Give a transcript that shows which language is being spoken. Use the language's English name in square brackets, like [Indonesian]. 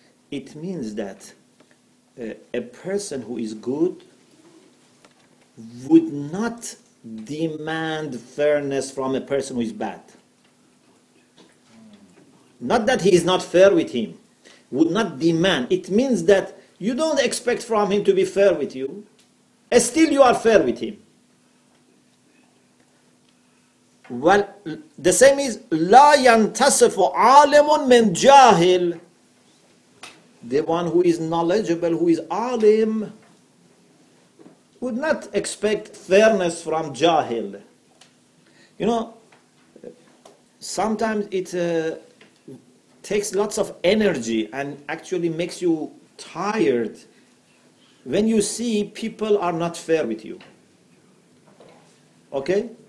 [English] It means that a person who is good would not demand fairness from a person who is bad. Not that he is not fair with him. Would not demand. It means that you don't expect from him to be fair with you. Still you are fair with him. Well, the same is [Arabic] لا ينتصف عالم من جاهل. [English] The one who is knowledgeable, who is alim, would not expect fairness from jahil. You know, sometimes it takes lots of energy and actually makes you tired when you see people are not fair with you. Okay?